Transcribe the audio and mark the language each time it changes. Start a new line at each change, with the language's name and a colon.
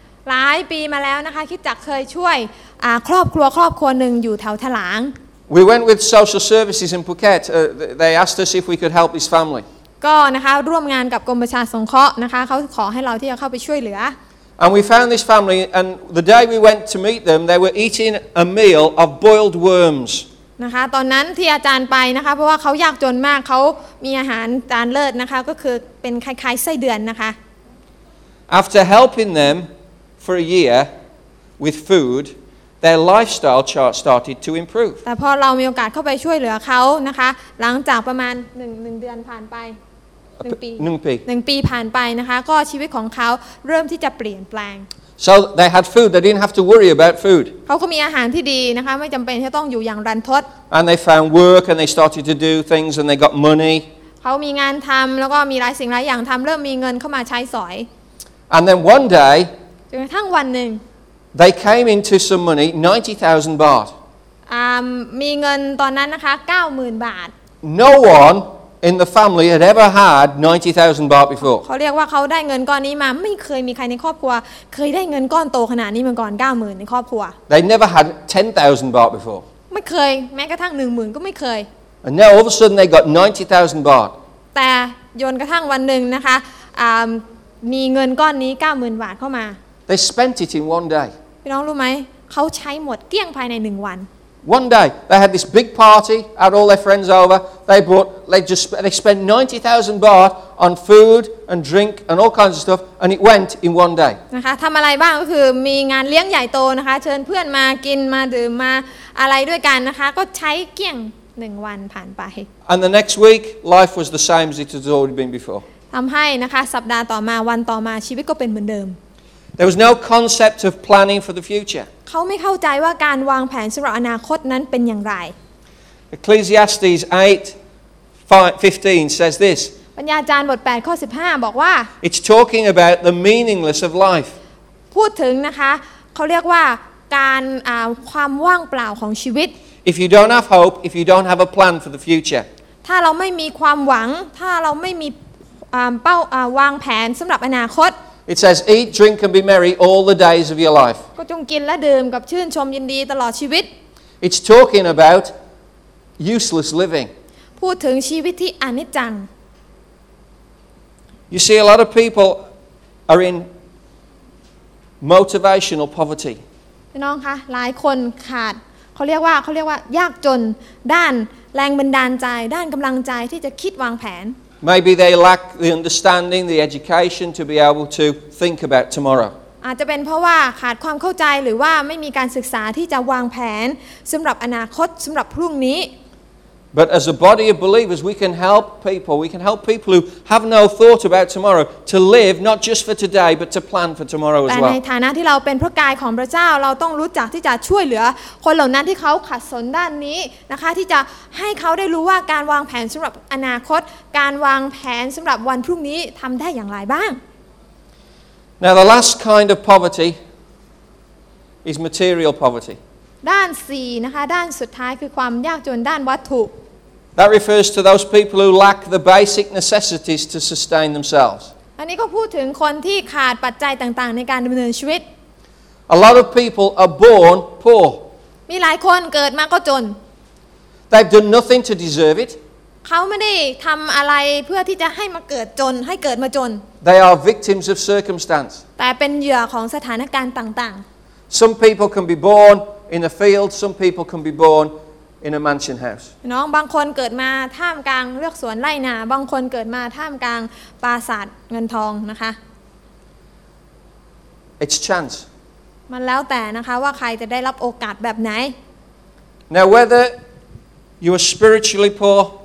Thai: หลายปีมาแล้วนะคะคิดจักเคยช่วยครอบครัวครอบครัวนึงอยู่แถวถลาง
English: We went with social services in Phuket. They asked us if we could help this family.
Thai: ก็นะคะร่วมงานกับกรมประชาสงเคราะห์นะคะเขาขอให้เราที่จะเข้าไปช่วยเหลือ
English: And we found this family. And the day we went to meet them, they were eating a meal of boiled worms.
Thai: นะคะตอนนั้นที่อาจารย์ไปนะคะเพราะว่าเขายากจนมากเขามีอาหารจานเลิศนะคะก็คือเป็นคล้ายๆไส้เดือนนะคะ
English: After helping them for a year with food. Their lifestyle chart started to improve.
Thai: แต่พอเรามีโอกาสเข้าไปช่วยเหลือเขานะคะหลังจากประมาณ1เดือนผ่านไป1ปีผ่านไปนะคะก็ชีวิตของเขาเริ่มที่จะเปลี่ยนแปลง
English: So they had food. They didn't have to worry about food.
Thai: เขาก็มีอาหารที่ดีนะคะไม่จำเป็นที่ต้องอยู่อย่างรันทด
English: And they found work and they started to do things and they got money.
Thai: เขามีงานทำแล้วก็มีหลายสิ่งหลายอย่างทำเริ่มมีเงินเข้ามาใช้สอย
English: And then one day
Thai: จนกระทั่งวันหนึ่ง
English: They came into some money, 90,000 baht.
Thai: มีเงินตอนนั้นนะคะ 90,000 บาท
English: No one in the family had ever had 90,000 baht before.
Thai: เขาเรียกว่าเขาได้เงินก้อนนี้มาไม่เคยมีใครในครอบครัวเคยได้เงินก้อนโตขนาดนี้มาก่อน 90,000 ในครอบครัว
English: They never had 10,000 baht before.
Thai: ไม่เคยแม้กระทั่ง 10,000 ก็ไม่เคย
English: And now all of a sudden they got 90,000 baht.
Thai: แต่จนกระทั่งวันหนึ่งนะคะมีเงินก้อนนี้ 90,000 บาทเข้ามา
English: They spent it in one day.
Thai: พี่น้องรู้ไหมเขาใช้หมดเกลี้ยงภายใน1วัน
English: One day they had this big party, had all their friends over. They spent 90,000 baht on food and drink and all kinds of stuff and it went in one day.
Thai: นะคะทําอะไรบ้างก็คือมีงานเลี้ยงใหญ่โตนะคะเชิญเพื่อนมากินมาดื่มมาอะไรด้วยกันนะคะก็ใช้เกลี้ยง1วันผ่านไป
English: And the next week life was the same as it had already been before.
Thai: ทําให้นะคะสัปดาห์ต่อมาวันต่อมาชีวิตก็เป็นเหมือนเดิม
English: There was no concept of planning for the future.
Thai: เขาไม่เข้าใจว่าการวางแผนสำหรับอนาคตนั้นเป็นอย่างไร
English: Ecclesiastes 8:15 says this
Thai: ปัญญาจารย์บท8ข้อ15บอกว่า
English: It's talking about the meaningless of life
Thai: พูดถึงนะคะเขาเรียกว่าการความว่างเปล่าของชีวิต
English: If you don't have hope if you don't have a plan for the future
Thai: ถ้าเราไม่มีความหวังถ้าเราไม่มีเป้าวางแผนสำหรับอนาคต
English: It says, eat, drink, and be merry all the days of your life.
Thai: ก็จงกินและดื่มกับชื่นชมยินดีตลอดชีวิต
English: It's talking about useless living.
Thai: พูดถึงชีวิตที่อนิจจัง
English: You see, a lot of people are in motivational poverty.
Thai: พี่น้องคะหลายคนขาดเขาเรียกว่ายากจนด้านแรงบันดาลใจด้านกำลังใจที่จะคิดวางแผน
English: Maybe they lack the understanding, the education to be able to think about tomorrow.
Thai: อาจจะเป็นเพราะว่าขาดความเข้าใจหรือว่าไม่มีการศึกษาที่จะวางแผนสำหรับอนาคตสำหรับพรุ่งนี้
English: But as a body of believers, we can help people. We can help people who have no thought about tomorrow to live not just for today, but to plan for tomorrow as well.
Thai: แต่ในฐานะที่เราเป็นพระกายของพระเจ้าเราต้องรู้จักที่จะช่วยเหลือคนเหล่านั้นที่เขาขัดสนด้านนี้นะคะที่จะให้เขาได้รู้ว่าการวางแผนสำหรับอนาคตการวางแผนสำหรับวันพรุ่งนี้ทำได้อย่างไรบ้าง
English: Now the last kind of poverty is material poverty.
Thai: ด้าน4นะคะด้านสุดท้ายคือความยากจนด้านวัตถุ
English: That refers to those people who lack the basic necessities to sustain themselves.
Thai: อันนี้ก็พูดถึงคนที่ขาดปัจจัยต่างๆในการดำเนินชีวิต
English: A lot of people are born poor.
Thai: มีหลายคนเกิดมาก็จน
English: They've done nothing to deserve it.
Thai: เขาไม่ได้ทำอะไรเพื่อที่จะให้มาเกิดจนให้เกิดมาจน
English: They are victims of circumstance
Thai: แต่เป็นเหยื่อของสถานการณ์ต่าง
English: ๆ Some people can be born in a field some people can be born in a mansion house
Thai: น้องบางคนเกิดมาท่ามกลางเลือกสวนไร่นาบางคนเกิดมาท่ามกลางปราสาทเงินทองนะคะ
English: It's chance
Thai: มันแล้วแต่นะคะว่าใครจะได้รับโอกาสแบบไหน
English: Now whether you are spiritually poor